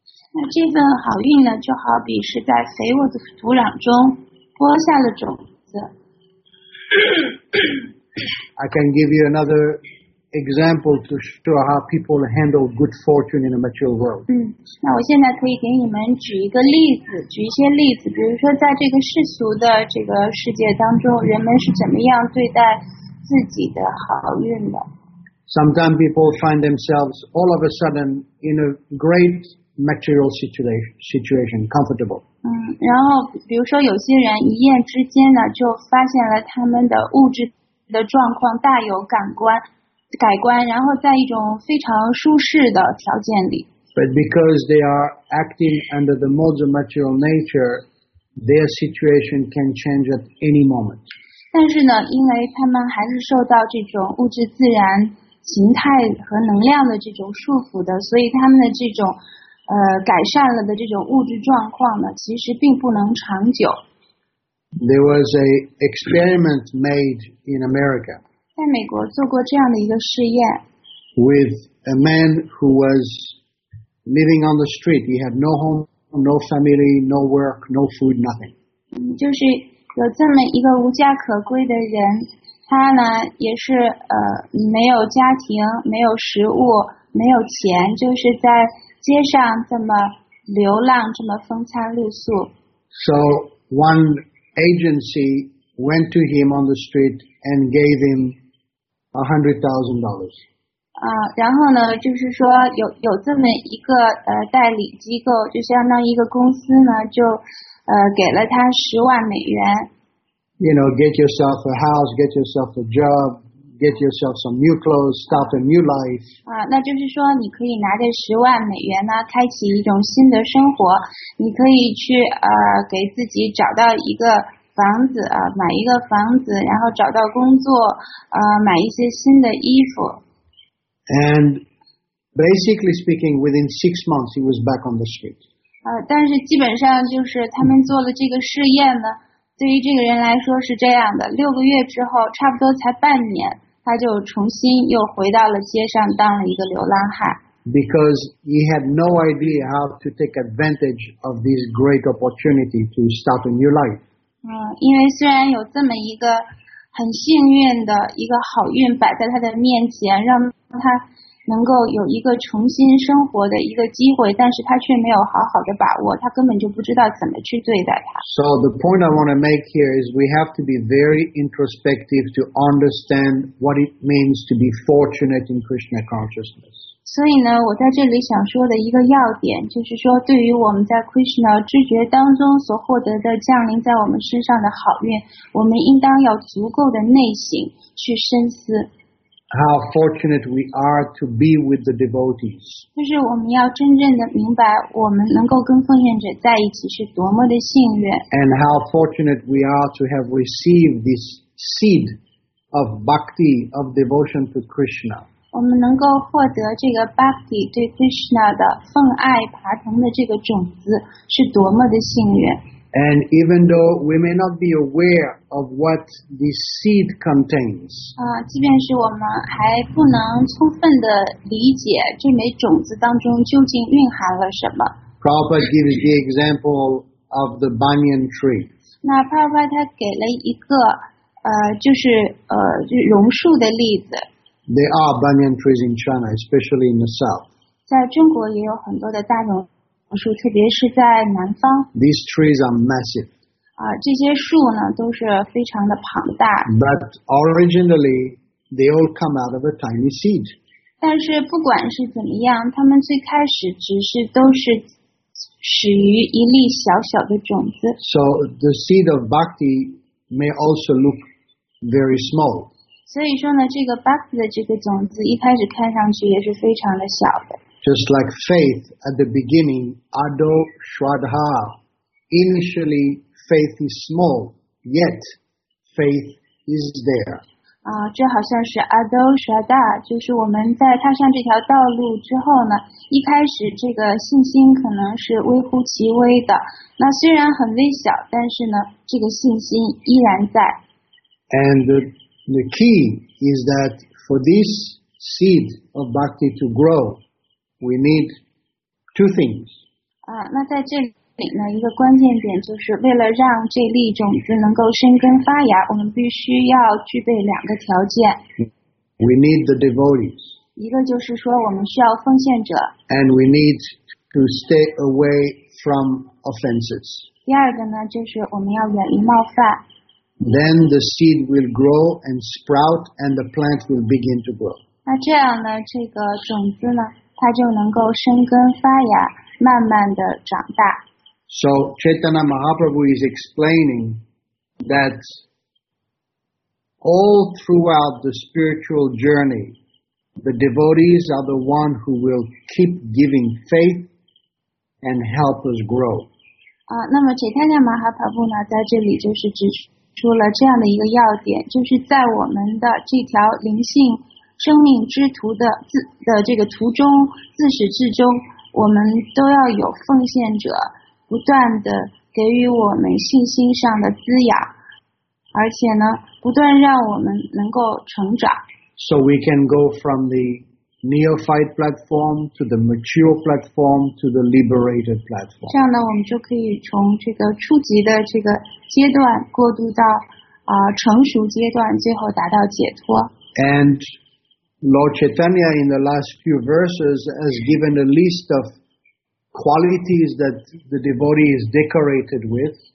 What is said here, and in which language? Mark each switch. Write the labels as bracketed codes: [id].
[zh] 那这份好运呢，就好比是在肥沃的土壤中播下了种子。 [en] I can give you another example to how people handle good fortune in a mature world. [zh] 嗯，那我现在可以给你们举一个例子，举一些例子，比如说在这个世俗的这个世界当中，人们是怎么样对待自己的好运的。 [en] Sometimes people find themselves all of a sudden in a great material situation, comfortable. [zh] 嗯，然后比如说有些人一夜之间呢，就发现了他们的物质的状况大有改观，然后在一种非常舒适的条件里。 [en] But because they are acting under the modes of material nature, their situation can change at any moment. [zh] 但是呢，因为他们还是受到这种物质自然形态和能量的这种束缚的，所以他们的这种改善了的这种物质状况呢，其实并不能长久。 [en] There was an experiment made in America. [zh] 在美国做过这样的一个试验。 [en] With a man who was living on the street, he had no home, no family, no work, no food, nothing. [zh] 就是有这么一个无家可归的人，他呢也是没有家庭，没有食物，没有钱，就是在街上这么流浪，这么风餐露宿。 [en] So one agency went to him on the street and gave him $100,000. [zh] 啊，然后呢，就是说有这么一个代理机构，就相当于一个公司呢，就给了他$100,000。 [en] You know, get yourself a house, get yourself a job, get yourself some new clothes, start a new life. [zh] 啊，那就是说你可以拿着$100,000呢，开启一种新的生活。你可以去给自己找到一个房子啊，买一个房子，然后找到工作，买一些新的衣服。 [en] And basically speaking, within 6 months, he was back on the street. [zh] 啊，但是基本上就是他们做了这个试验呢。对于这个人来说是这样的，六个月之后，差不多才半年，他就重新又回到了街上，当了一个流浪汉。 [en] Because he had no idea how to take advantage of this great opportunity to start a new life. [zh] 因为虽然有这么一个很幸运的一个好运摆在他的面前，让他能够有一个重新生活的一个机会，但是他却没有好好的把握，他根本就不知道怎么去对待它。 [en] So the point I want to make here is we have to be very introspective to understand what it means to be fortunate in Krishna consciousness. [zh] 所以呢，我在这里想说的一个要点就是说，对于我们在 Krishna 知觉当中所获得的降临在我们身上的好运，我们应当要足够的内省去深思。 [en] How fortunate we are to be with the devotees. [zh] 就是我们要真正的明白，我们能够跟奉献者在一起是多么的幸运。 [en] And how fortunate we are to have received this seed of bhakti, of devotion to Krishna. [zh] 我们能够获得这个 bhakti 对 Krishna 的奉爱爬藤的这个种子，是多么的幸运。 [en] And even though we may not be aware of what this seed contains, [zh] 即便是我们还不能充分的理解这枚种子当中究竟蕴含了什么。 [en] Prabhupada gives the example of the banyan tree. [zh] 那 Prabhupada 他给了一个就是榕树的例子。 [en] There are banyan trees in China, especially in the south. [zh] 在中国也有很多的大榕。特别是在南方。 [en] These trees are massive. [zh] 这些树呢都是非常的庞大。 [en] But originally, they all come out of a tiny seed. [zh] 但是不管是怎么样，它们最开始只是都是始于一粒小小的种子。 [en] So the seed of bhakti may also look very small. [zh] 所以说呢，这个 bhakti 的这个种子一开始看上去也是非常的小的。 [en] Just like faith at the beginning, ado shraddha. Initially, faith is small, yet faith is there. [zh] 这好像是 ado shraddha， 就是我们在踏上这条道路之后呢，一开始这个信心可能是微乎其微的。那虽然很微小，但是呢，这个信心依然在。 [en] And the key is that for this seed of bhakti to grow, we need two things. [zh] 那在这里呢，一个关键点就是为了让这粒种子能够生根发芽，我们必须要具备两个条件。 [en] We need the devotees. [zh] 一个就是说我们需要奉献者。 [en] And we need to stay away from offenses. [zh] 第二个呢，就是我们要远离冒犯。 [en] Then the seed will grow and sprout, and the plant will begin to grow. [zh] 那这样呢，这个种子呢，它就能够生根发芽，慢慢的长大。 [en] So Chaitanya Mahaprabhu is explaining that all throughout the spiritual journey, the devotees are the one who will keep giving faith and help us grow. [zh] 那么 Chaitanya Mahaprabhu 呢，在这里就是指出了这样的一个要点，就是在我们的这条灵性生命之途的这个途中，自始至终，我们都要有奉献者不断的给予我们信心上的滋养，而且呢，不断让我们能够成长。 [en] So we can go from the neophyte platform to the mature platform to the liberated platform. [zh] 这样呢，我们就可以从这个初级的这个阶段过渡到成熟阶段，最后达到解脱。 [en] And Lord Chaitanya in the last few verses has given a list of qualities that the devotee is decorated with.